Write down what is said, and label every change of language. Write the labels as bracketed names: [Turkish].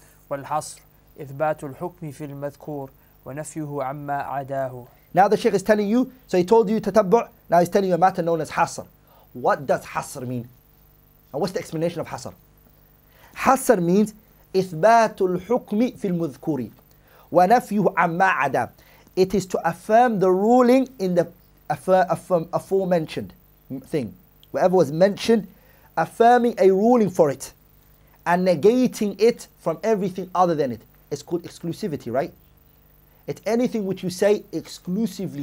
[Arabic] والحصر إثبات الحكم في المذكور ونفيه عما عداه. [English] Now the sheikh is telling you, so he told you تتبع, now he's telling you a matter known as حصر. What does حصر mean? And what's the explanation of حصر? [Arabic] حصر means إثبات الحكم في المذكور ونفيه عما عداه. [English] It is to affirm the ruling in the aforementioned thing. Whatever was mentioned, affirming a ruling for it and negating it from everything other than it. It's called exclusivity, right? It's anything which you say exclusively.